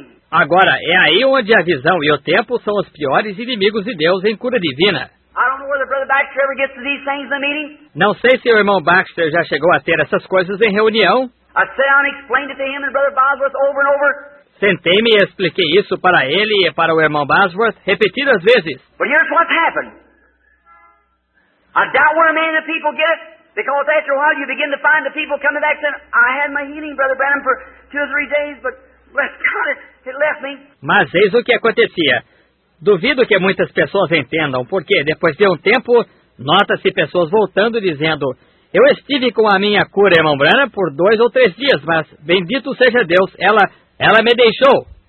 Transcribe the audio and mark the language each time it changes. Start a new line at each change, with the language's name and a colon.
Portuguese: Agora, é aí onde a visão e o tempo são os piores inimigos de Deus em cura divina.
English: I don't know whether Brother Baxter ever gets to these things in the meeting.
Portuguese: Não sei se o irmão Baxter já chegou a ter essas coisas em reunião.
English: I sat down and explained it to him and Brother Bosworth over and over.
Portuguese: Sentei-me e expliquei isso para ele e para o irmão Bosworth repetidas vezes.
English: But here's what's happened. I doubt when a man and the people get it, because after a while you begin to find the people coming back saying, I had my healing, Brother Branham, for two or three days, but bless God, it left me.
Portuguese: Mas eis o que acontecia. Duvido que muitas pessoas entendam, porque depois de um tempo, nota-se pessoas voltando dizendo, eu estive com a minha cura, irmão Branham, por dois ou três dias, mas, bendito seja Deus, ela me deixou.